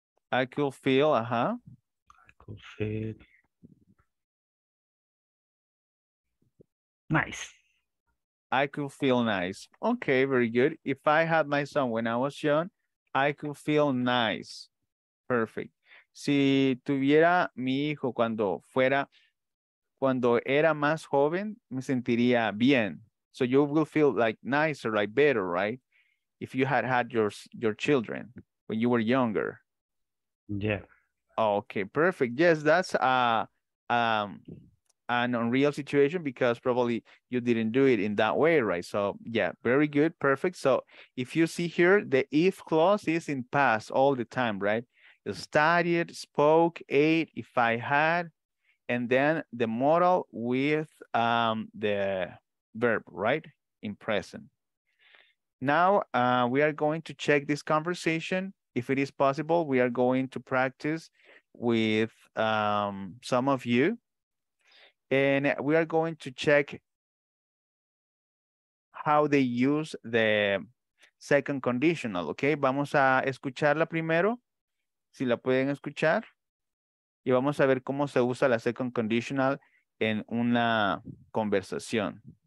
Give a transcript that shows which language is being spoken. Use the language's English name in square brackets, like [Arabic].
[English] I could feel, uh-huh. I could feel nice. I could feel nice. Okay, very good. If I had my son when I was young, I could feel nice. Perfect. [Spanish] Si tuviera mi hijo cuando era más joven, me sentiría bien. [English] So you will feel like nicer, like better, right? If you had your children when you were younger. Yeah. Okay, perfect. Yes, that's an unreal situation because probably you didn't do it in that way, right? So yeah, very good. Perfect. So if you see here, the if clause is in past all the time, right? Studied, spoke, ate, if I had, and then the modal with the verb, right? In present. Now we are going to check this conversation. If it is possible, we are going to practice with some of you. And we are going to check how they use the second conditional, okay? [Spanish] Vamos a escucharla primero, si la pueden escuchar. Y vamos a ver cómo se usa la second conditional en una conversación.